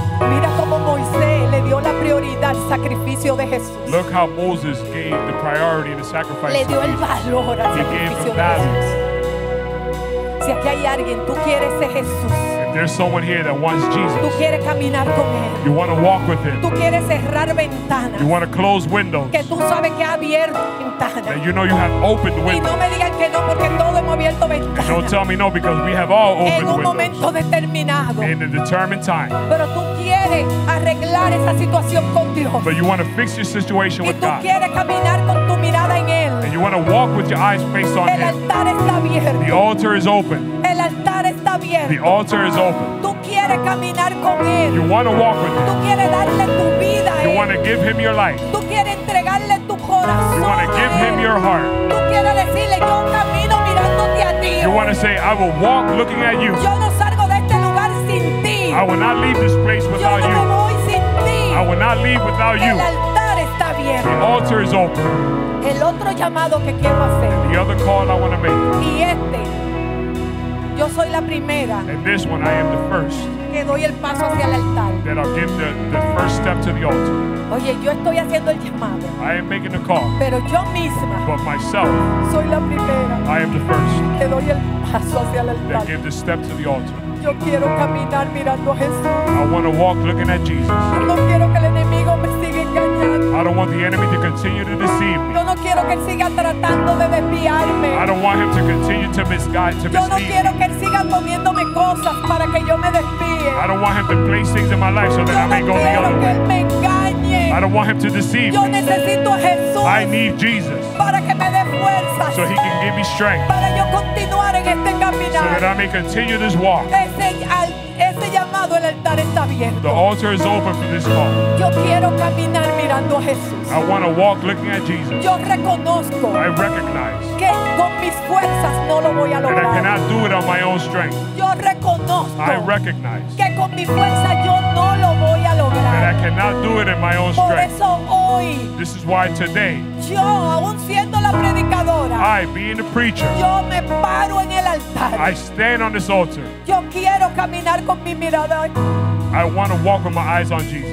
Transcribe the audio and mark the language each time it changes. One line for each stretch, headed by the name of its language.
Spanish: Mira como Moisés le dio la prioridad al sacrificio de Jesús.
English: Look how Moses gave the priority and the sacrifice
Spanish: le dio el valor al sacrificio de Jesús. Si aquí hay alguien, tú quieres ser Jesús.
English: If there's someone here that wants Jesus,
Spanish: tú quieres caminar con él.
English: You want to walk with him.
Spanish: Tú quieres cerrar ventanas.
English: You want to close windows.
Spanish: Que tú sabes que ha abierto ventanas.
English: That you know you have opened windows.
Spanish: Y no me digan que no porque todos hemos abierto ventanas.
English: Don't tell me no because we have all opened windows.
Spanish: En un momento determinado.
English: In a determined time.
Spanish: Pero tú quieres arreglar esa situación con Dios.
English: But you want to fix your situation with God.
Spanish: Y tú quieres caminar con tu mirada en él.
English: And you want to walk with your eyes fixed on him.
Spanish: El altar está abierto.
English: The altar is open.
Spanish: El altar está abierto.
English: The altar is open.
Spanish: Tú quieres caminar con él.
English: You want to walk with him.
Spanish: Tú quieres darle tu vida a él.
English: You want to give him your life.
Spanish: Tú quieres entregarle tu corazón.
English: You want to give him your heart.
Spanish: Tú quieres decirle, yo camino mirándote a ti.
English: You want to say, I will walk looking at you.
Spanish: Yo no salgo de este lugar sin ti.
English: I will not leave this place without
Spanish: yo no
English: you.
Spanish: Voy sin ti.
English: I will not leave without
Spanish: el
English: you.
Spanish: El altar está abierto.
English: The altar is open.
Spanish: El otro llamado que quiero hacer.
English: And the other call I want to make.
Spanish: Y este. Yo soy la primera.
English: And this one, I am the first.
Spanish: que doy el paso hacia el altar.
English: That I'll give the first step to the altar.
Spanish: Oye, yo estoy haciendo el llamado.
English: I am making a call.
Spanish: Pero yo misma.
English: But myself.
Spanish: Soy la primera.
English: I am the first.
Spanish: Que doy el paso hacia el altar.
English: That give the step to the altar.
Spanish: Yo quiero caminar mirando a Jesús.
English: I want to walk looking at Jesus.
Spanish: Yo no quiero que el enemigo me siga engañando.
English: I don't want the enemy to continue to deceive me.
Spanish: Yo no quiero que él siga tratando de desviarme.
English: I don't want him to continue to misguide, to mislead.
Spanish: Yo no quiero que él siga poniéndome cosas para que yo me desvíe.
English: I don't want him to place things in my life so that
Spanish: yo
English: I may
Spanish: no
English: go the other
Spanish: que
English: way.
Spanish: Él me engañe.
English: I don't want him to deceive
Spanish: yo necesito a Jesús
English: me. I need Jesus
Spanish: para que me dé fuerzas
English: so he can give me strength
Spanish: para yo continuar en este caminar.
English: So that I may continue this walk.
Spanish: Ese llamado, el altar está abierto.
English: The altar is open for this call.
Spanish: Yo quiero caminar mirando a Jesús.
English: I want to walk looking at Jesus.
Spanish: Yo reconozco.
English: I recognize.
Spanish: Que con mis fuerzas no lo voy a lograr.
English: That I cannot do it on my own strength.
Spanish: Yo reconozco.
English: I recognize.
Spanish: Que con mi fuerza yo no lo voy a lograr.
English: That I cannot do it in my own
Spanish: Por
English: strength.
Spanish: Por eso hoy.
English: This is why today.
Spanish: Yo, aún siendo la predicadora.
English: I, being the preacher.
Spanish: Yo me paro en el altar.
English: I stand on this altar.
Spanish: Yo quiero caminar con mi mirada.
English: I want to walk with my eyes on Jesus.